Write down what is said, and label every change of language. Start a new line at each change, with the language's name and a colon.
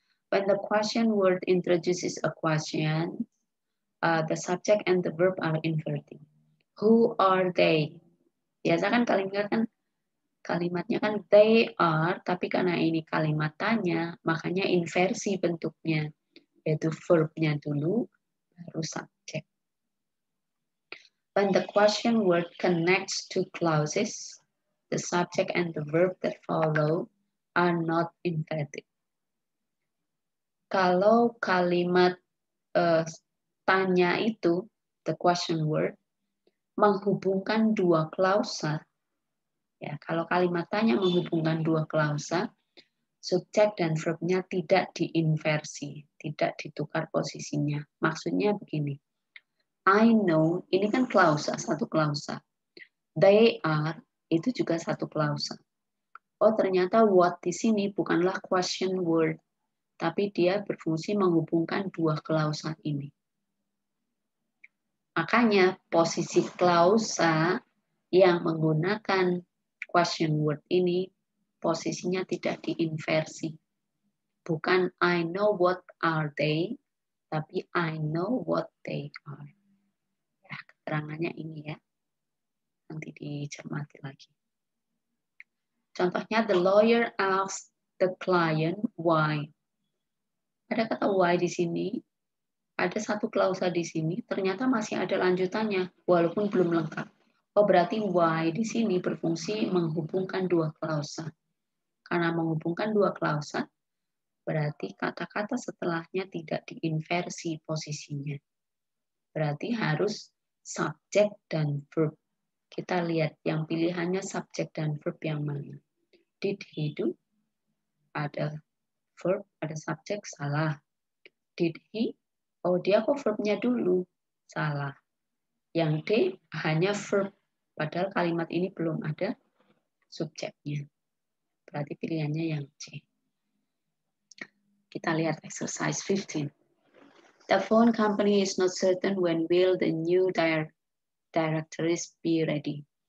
English: When the question word introduces a question, the subject and the verb are inverting. Who are they?
Indonesian: Biasa kan kalimatnya kan they are, tapi karena ini kalimat tanya, makanya inversi bentuknya, yaitu verbnya dulu, baru subject.
English: When the question word connects to clauses, the subject and the verb that follow are not inverted.
Indonesian: Kalau kalimat tanya itu, the question word, menghubungkan dua klausa. Ya, kalau kalimat tanya menghubungkan dua klausa, subjek dan verbnya tidak diinversi, tidak ditukar posisinya. Maksudnya begini, I know, ini kan klausa, satu klausa. They are, itu juga satu klausa. Oh, ternyata what di sini bukanlah question word, tapi dia berfungsi menghubungkan dua klausa ini. Makanya posisi klausa yang menggunakan question word ini posisinya tidak diinversi.
English: Bukan I know what are they, tapi I know what they are.
Indonesian: Ya, keterangannya ini ya.
English: Nanti dicermati lagi. Contohnya, the lawyer asks the client why.
Indonesian: Ada kata why di sini, ada satu klausa di sini, ternyata masih ada lanjutannya, walaupun belum lengkap. Oh, berarti why di sini berfungsi menghubungkan dua klausa. Karena menghubungkan dua klausa, berarti kata-kata setelahnya tidak diinversi posisinya. Berarti harus subject dan verb. Kita lihat yang pilihannya subject dan verb yang mana. Did he do? Ada verb, ada subjek, salah. Did he? Oh, dia kok verbnya dulu? Salah. Yang D, hanya verb. Padahal kalimat ini belum ada subjeknya. Berarti pilihannya yang C. Kita lihat exercise 15.
English: The phone company is not certain when will the new directories be ready.